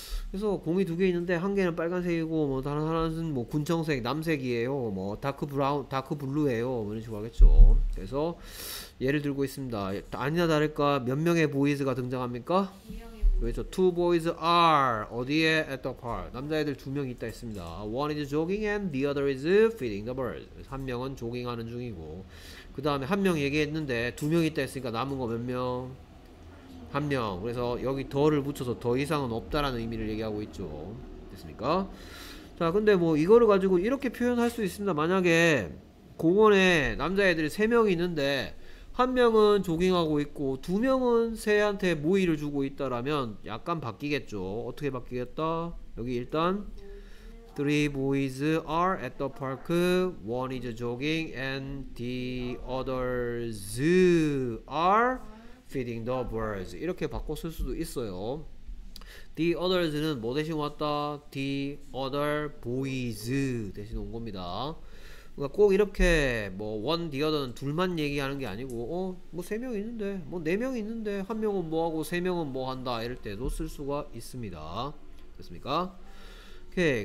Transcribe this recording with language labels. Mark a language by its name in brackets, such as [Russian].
[Korean] 그래서 공이 두 개 있는데 한 개는 빨간색이고 뭐 다른 하나는 뭐 군청색, 남색이에요. 뭐 다크 브라운, 다크 블루예요. 뭐 이런 식으로 하겠죠. 그래서 예를 들고 있습니다. 아니나 다를까 몇 명의 보이즈가 등장합니까? 그렇죠. [English] Two boys are [Korean] 어디에? [English] At the park. [Korean] 남자애들 두 명 있다 했습니다. [English] One is jogging and the other is feeding the birds. [Korean] 한 명은 조깅하는 중이고 그 다음에 한 명 얘기했는데 두 명 있다 했으니까 남은 거 몇 명? 한 명. 그래서 여기 더를 붙여서 더 이상은 없다라는 의미를 얘기하고 있죠. 됐습니까? 자, 근데 뭐 이거를 가지고 이렇게 표현할 수 있습니다. 만약에 공원에 남자애들이 세 명 있는데 한 명은 조깅하고 있고 두 명은 새한테 모이를 주고 있다라면 약간 바뀌겠죠. 어떻게 바뀌겠다? 여기 일단 [English] three boys are at the park. One is jogging and the others are feeding the birds. [Korean] 이렇게 바꿔 쓸 수도 있어요. The others는 뭐 대신 왔다? [English] The other boys [Korean] 대신 온 겁니다. 그러니까 꼭 이렇게 뭐 원 디어더는 둘만 얘기하는 게 아니고 어 뭐 세 명 있는데 뭐 네 명 있는데 한 명은 뭐 하고 세 명은 뭐 한다 이럴 때도 쓸 수가 있습니다. 됐습니까? 오케이.